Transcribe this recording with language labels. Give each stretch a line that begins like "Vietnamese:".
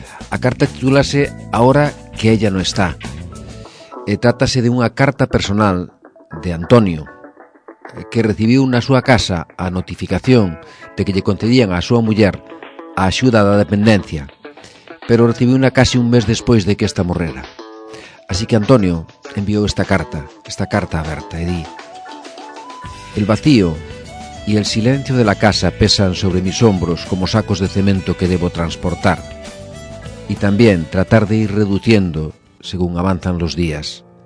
Galician: A carta titúlase
Spanish: "Ahora que ella no está".
Galician: E trátase de unha carta personal de Antonio, que recibiu na súa casa a notificación de que lle concedían á súa muller a axuda da dependencia, pero recibiu unha case un mes despois de que esta morrera. Así que Antonio enviou esta carta aberta, e di:
Spanish: "El vacío y el silencio de la casa pesan sobre mis hombros como sacos de cemento que debo transportar, y también tratar de ir reduciendo según avanzan los días.